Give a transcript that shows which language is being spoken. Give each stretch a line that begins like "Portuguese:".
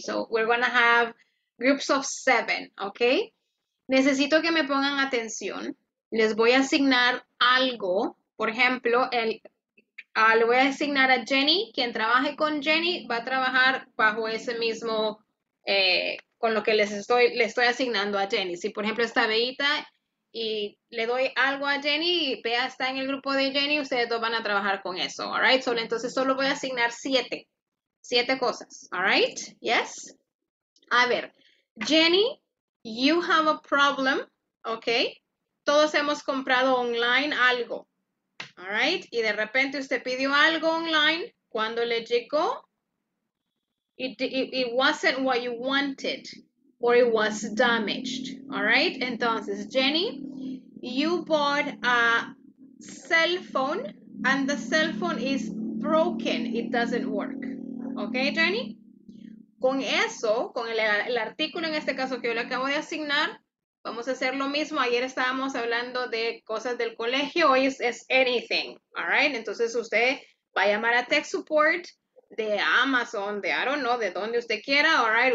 English: So we're going to have groups of 7, okay?
Spanish: Necesito que me pongan atención. Les voy a asignar algo. Por ejemplo, le voy a asignar a Jenny, quien trabaje con Jenny, va a trabajar bajo ese mismo, con lo que le estoy asignando a Jenny. Si, por ejemplo, está Beita y le doy algo a Jenny y Bea está en el grupo de Jenny, ustedes dos van a trabajar con eso,
English: all right?
Spanish: Solo, entonces, solo voy a asignar 7 cosas,
English: all right?
Spanish: Yes? A ver,
English: Jenny, you have a problem, okay?
Spanish: Todos hemos comprado online algo. All right, y de repente usted pidió algo online, cuando le llegó,
English: it wasn't what you wanted, or it was damaged. All right, entonces, Jenny, you bought a cell phone, and the cell phone is broken, it doesn't work.
Spanish: Okay, Jenny, con eso, con el artículo en este caso que yo le acabo de asignar, vamos a hacer lo mismo. Ayer estábamos hablando de cosas del colegio. Hoy es anything.
English: All right.
Spanish: Entonces usted va a llamar a tech support de Amazon, de
English: I don't know,
Spanish: de donde usted quiera.
English: All right.